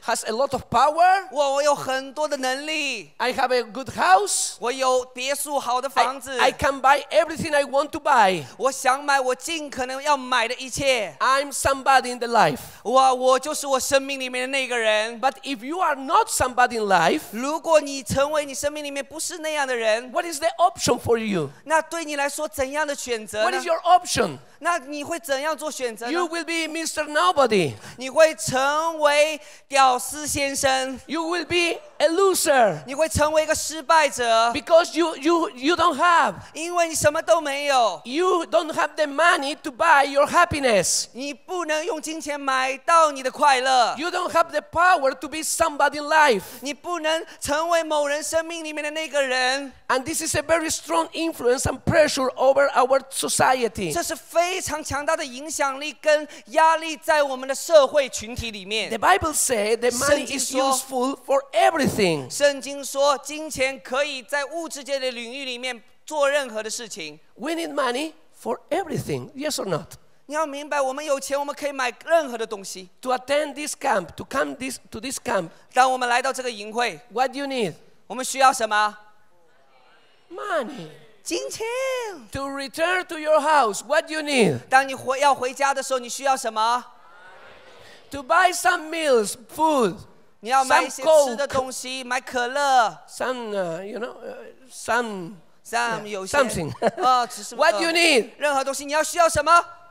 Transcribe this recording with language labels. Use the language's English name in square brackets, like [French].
[English] Has a lot of power. [Chinese] 我有很多的能力。 [English] I have a good house. [Chinese] 我有别墅，好的房子。 [English] I can buy everything I want to buy. [Chinese] 我想买我尽可能要买的一切。 [English] I'm somebody in the life. [Chinese] 我就是我生命里面的那个人。 [English] But if you are not somebody in life, [Chinese] 如果你成为你生命里面不是那样的人， [English] What is the option for you? [Chinese] 那对你来说怎样的选择呢？ [English] What is your option? [Chinese] 那你会怎样做选择呢？ [English] You will be Mr. Nobody. [Chinese] 你会成为屌丝先生。 [English] You will be a loser. [Chinese] 你会成为一个失败者。 [English] Because you don't have. [Chinese] 因为你什么都没有。 [English] You don't have the money to buy your happiness. [Chinese] 你不能用金钱买到你的快乐。 [English] You don't have the power to be somebody in life. [Chinese] 你不能成为某人生命里面的那个人。 [English] And this is a very strong influence and pressure over our society. [Chinese] 这是非常强大的影响力跟压力在我们的社会群体里面。 [English] The Bible says that money is useful for everything. [Chinese] 圣经说金钱可以在物质界的领域里面做任何的事情。 [English] We need money for everything, yes or not? [Chinese] 你要明白，我们有钱，我们可以买任何的东西。 [English] To attend this camp, to come this, to this camp. [Chinese] 当我们来到这个营会， [English] What do you need? [Chinese] 我们需要什么？ [English] Money. [Chinese] 金钱。 [English] To return to your house, what do you need? [Chinese] 当你要回家的时候，你需要什么？ [English] To buy some meals, food. [Chinese] 你要买一些吃的东西，买可乐。 [English] Some, you know, some, yeah, something. [Chinese] 只是 [English] what do you need? [Chinese] 任何东西，你要需要什么？